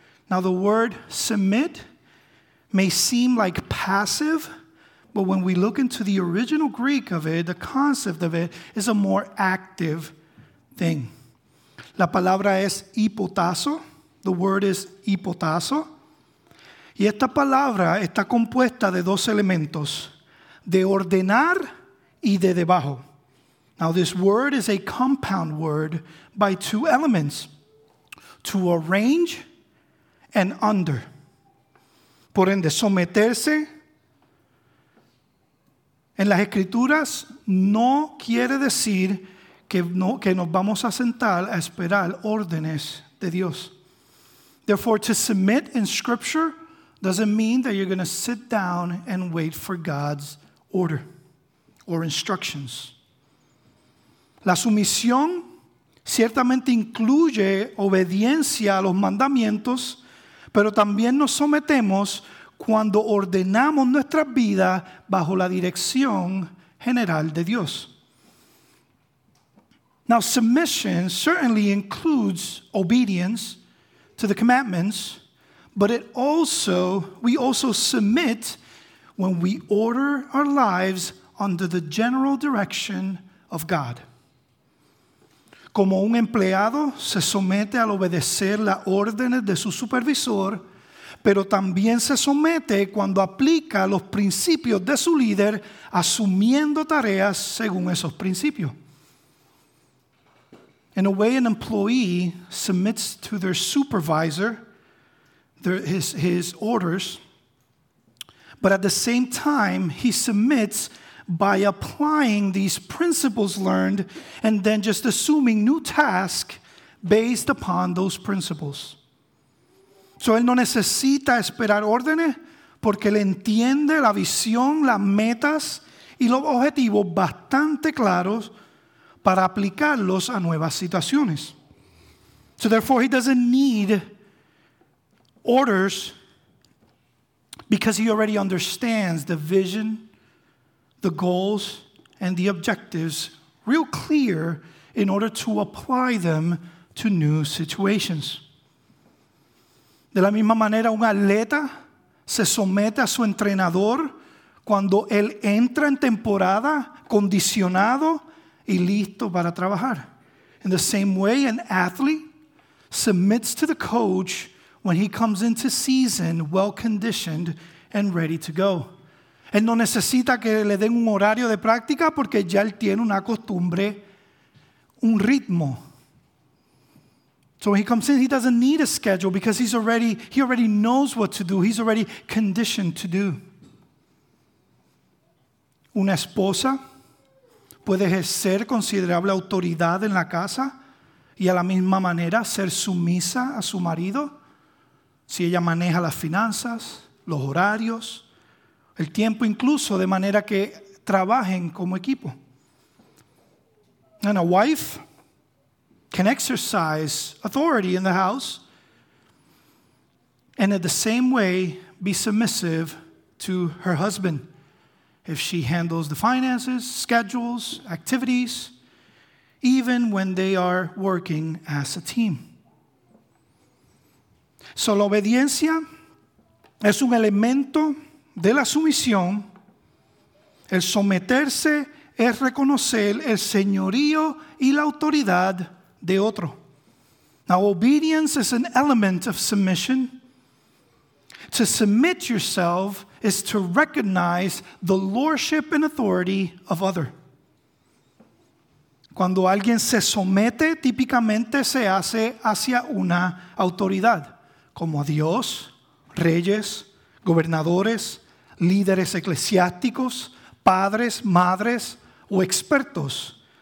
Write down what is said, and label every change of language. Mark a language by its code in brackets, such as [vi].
[en] Now, the word submit may seem like passive, but when we look into the original Greek of it, the concept of it is a more active thing. [es] La palabra es hipotazo. [en] The word is hipotazo. [es] Y esta palabra está compuesta de dos elementos, de ordenar y de debajo. [en] Now, this word is a compound word by two elements, to arrange and under. [es] Por ende, someterse en las escrituras no quiere decir que nos vamos a sentar a esperar órdenes de Dios. [en] Therefore, to submit in scripture doesn't mean that you're going to sit down and wait for God's order or instructions. [es] La sumisión ciertamente incluye obediencia a los mandamientos, pero también nos sometemos cuando ordenamos nuestra vida bajo la dirección general de Dios. [en] Now, submission certainly includes obedience to the commandments, but we also submit when we order our lives under the general direction of God. [es] Como un empleado se somete al obedecer las órdenes de su supervisor, pero también se somete cuando aplica los principios de su líder asumiendo tareas según esos principios. [en] In a way, an employee submits to their supervisor, his orders, but at the same time, he submits by applying these principles learned and then just assuming new tasks based upon those principles. [es] So, él no necesita esperar órdenes porque él entiende la visión, las metas y los objetivos bastante claros para aplicarlos a nuevas situaciones. [en] So, therefore, he doesn't need orders because he already understands the vision, the goals, and the objectives real clear in order to apply them to new situations. [es] De la misma manera, un atleta se somete a su entrenador cuando él entra en temporada condicionado y listo para trabajar. [en] In the same way, an athlete submits to the coach when he comes into season well-conditioned and ready to go. [es] Él no necesita que le den un horario de práctica porque ya él tiene una costumbre, un ritmo. [en] So when he comes in, he doesn't need a schedule because he already knows what to do. He's already conditioned to do. [es] Una esposa puede ejercer considerable autoridad en la casa y a la misma manera ser sumisa a su marido si ella maneja las finanzas, los horarios, el tiempo, incluso de manera que trabajen como equipo. [en] And a wife can exercise authority in the house and in the same way be submissive to her husband if she handles the finances, schedules, activities, even when they are working as a team. [es] So la obediencia es un elemento de la sumisión. El someterse es reconocer el señorío y la autoridad de otro. [en] Now, obedience is an element of submission. To submit yourself is to recognize the lordship and authority of other. [es] Cuando alguien se somete, típicamente se hace hacia una autoridad, como Dios, reyes, gobernadores, líderes eclesiásticos, padres, madres o expertos.